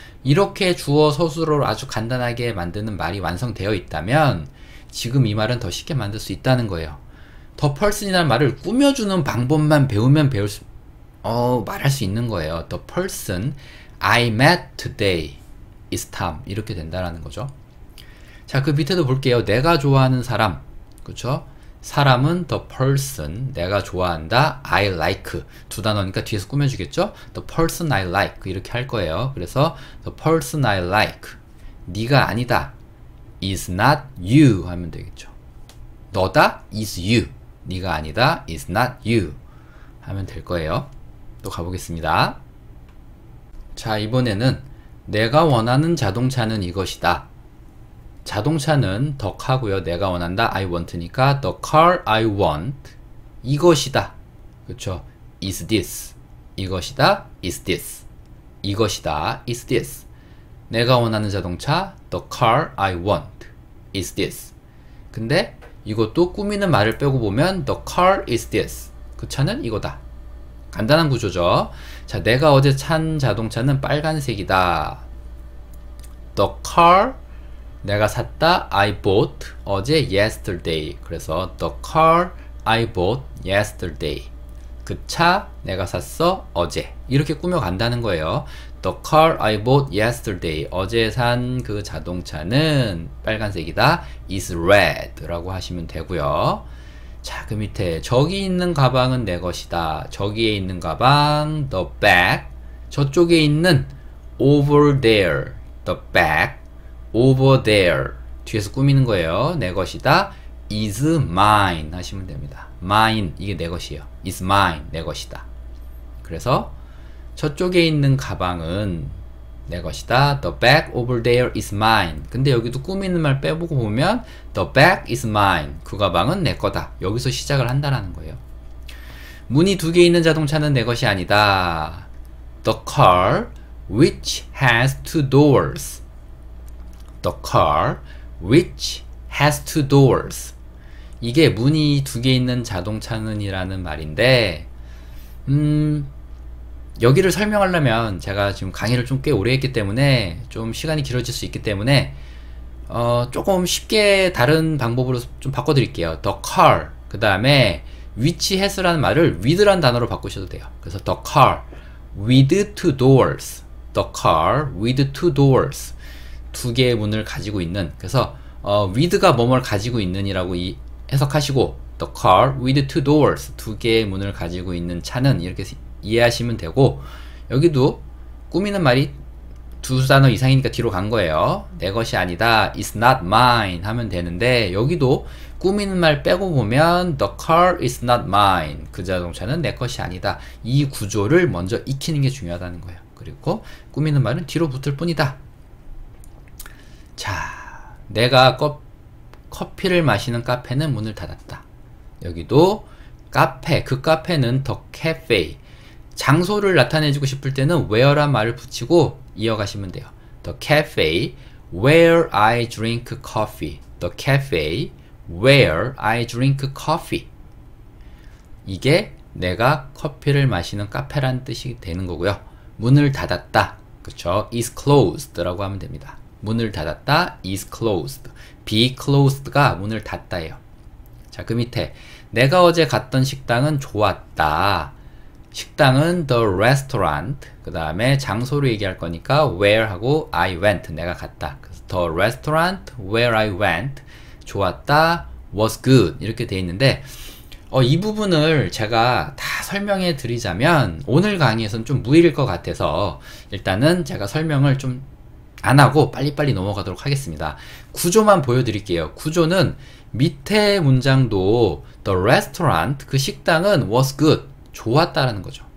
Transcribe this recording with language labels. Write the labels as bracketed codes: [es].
[ko] 이렇게 주어 서술어로 아주 간단하게 만드는 말이 완성되어 있다면, 지금 이 말은 더 쉽게 만들 수 있다는 거예요. [en] The person [ko] 이라는 말을 꾸며주는 방법만 배우면 배울 수, 말할 수 있는 거예요. [en] The person I met today is Tom. [ko] 이렇게 된다라는 거죠. 자, 그 밑에도 볼게요. 내가 좋아하는 사람. 그쵸? 사람은 [en] the person. [ko] 내가 좋아한다. [en] I like. [ko] 두 단어니까 뒤에서 꾸며주겠죠? [en] The person I like. [ko] 이렇게 할 거예요. 그래서 [en] the person I like. [ko] 네가 아니다. [en] is not you. [ko] 하면 되겠죠. 너다. [en] is you. [ko] 네가 아니다, [en] is not you [ko] 하면 될 거예요. 또 가보겠습니다. 자, 이번에는 내가 원하는 자동차는 이것이다. 자동차는 덕하고요. 내가 원한다, [en] I want니까 the car I want [ko] 이것이다. 그렇죠? [en] is this 이것이다, is this 이것이다, is this [ko] 내가 원하는 자동차 [en] the car I want is this [ko] 근데 이것도 꾸미는 말을 빼고 보면 [en] The car is this. [ko] 그 차는 이거다. 간단한 구조죠. 자, 내가 어제 찬 자동차는 빨간색이다. [en] The car [ko] 내가 샀다. [en] I bought [ko] 어제 [en] yesterday. [ko] 그래서 [en] the car I bought yesterday. [ko] 그차 내가 샀어 어제. 이렇게 꾸며 간다는 거예요. [en] The car I bought yesterday. [ko] 어제 산그 자동차는 빨간색이다. [en] is red [ko] 라고 하시면 되고요. 자, 그 밑에 저기 있는 가방은 내 것이다. 저기에 있는 가방 [en] the bag. [ko] 저쪽에 있는 [en] over there the bag. over there [ko] 뒤에서 꾸미는 거예요. 내 것이다. [en] is mine [ko] 하시면 됩니다. Mine, 이게 내 것이에요. [en] It's mine, [ko] 내 것이다. 그래서 저쪽에 있는 가방은 내 것이다. [en] The bag over there is mine. [ko] 근데 여기도 꾸미는 말 빼보고 보면 [en] The bag is mine. [ko] 그 가방은 내 거다. 여기서 시작을 한다라는 거예요. 문이 두개 있는 자동차는 내 것이 아니다. [en] The car which has two doors. The car which has two doors. [ko] 이게 문이 두개 있는 자동차는 이라는 말인데, 여기를 설명하려면 제가 지금 강의를 좀꽤 오래 했기 때문에 좀 시간이 길어질 수 있기 때문에, 조금 쉽게 다른 방법으로 좀 바꿔드릴게요. The car. 그 다음에, which has라는 말을 with라는 단어로 바꾸셔도 돼요. 그래서 [en] the car. with two doors. The car with two doors. [ko] 두 개의 문을 가지고 있는. 그래서, with가 뭐뭘 가지고 있는이라고 이, 해석하시고, [en] the car with two doors. [ko] 두 개의 문을 가지고 있는 차는 이렇게 이해하시면 되고, 여기도 꾸미는 말이 두 단어 이상이니까 뒤로 간 거예요. 내 것이 아니다. [en] It's not mine [ko] 하면 되는데, 여기도 꾸미는 말 빼고 보면, [en] the car is not mine. [ko] 그 자동차는 내 것이 아니다. 이 구조를 먼저 익히는 게 중요하다는 거예요. 그리고 꾸미는 말은 뒤로 붙을 뿐이다. 자, 내가 커피를 마시는 카페는 문을 닫았다. 여기도 카페, 그 카페는 더 카페. 장소를 나타내주고 싶을 때는 where란 말을 붙이고 이어가시면 돼요. [en] The cafe where I drink coffee. The cafe where I drink coffee. [ko] 이게 내가 커피를 마시는 카페란 뜻이 되는 거고요. 문을 닫았다. 그쵸? [en] is closed [ko] 라고 하면 됩니다. 문을 닫았다, is closed. [en] be closed [ko] 가 문을 닫다예요. 자, 그 밑에. 내가 어제 갔던 식당은 좋았다. 식당은 [en] the restaurant. [ko] 그 다음에 장소를 얘기할 거니까 where하고 [en] I went. [ko] 내가 갔다. 그래서 [en] the restaurant where I went. [ko] 좋았다, [en] was good. [ko] 이렇게 돼 있는데, 이 부분을 제가 다 설명해 드리자면, 오늘 강의에서는 좀 무리일 것 같아서, 일단은 제가 설명을 좀안 하고 빨리빨리 넘어가도록 하겠습니다. 구조만 보여드릴게요. 구조는 밑에 문장도 [en] the restaurant, [ko] 그 식당은 [en] was good, [ko] 좋았다라는 거죠.